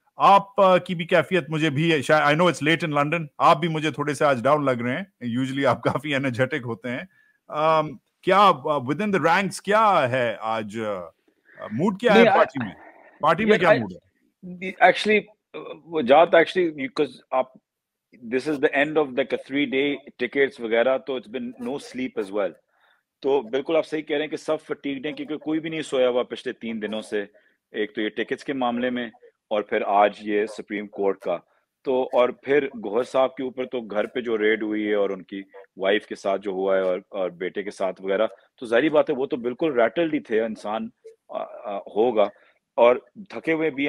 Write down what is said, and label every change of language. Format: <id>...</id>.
<ur>آپ کی بھی کیفیت مجھے بھی شاید,</ur> <en>I know it's late in London,</en> <ur>آپ بھی مجھے تھوڑے سے آج ڈاؤن لگ رہے ہیں, یوزلی آپ کافی انرجیٹک ہوتے ہیں. کیا</ur> <en>within the ranks</en> <ur>کیا ہے آج, موڈ کیا ہے پارٹی میں, پارٹی میں کیا موڈ ہے؟</ur> <en>Actually وجہت, actually because آپ, this is the end of the 3-day tickets وغیرہ, تو it's been no sleep as well.</en> <ur>تو بالکل آپ صحیح کہہ رہے ہیں کہ سب فٹیگڈ ہیں, کیونکہ کوئی بھی نہیں سویا ہوا پچھلے 3 دنوں سے, ایک تو یہ ٹکٹس کے معاملے میں اور پھر آج یہ سپریم کورٹ کا. تو اور پھر گوہر صاحب کے اوپر تو گھر پہ جو ریڈ ہوئی ہے اور ان کی وائف کے ساتھ جو ہوا ہے اور بیٹے کے ساتھ وغیرہ, تو ظاہری بات ہے وہ تو بالکل ریٹلڈ ہی تھے, انسان ہوگا اور تھکے ہوئے بھی.</ur>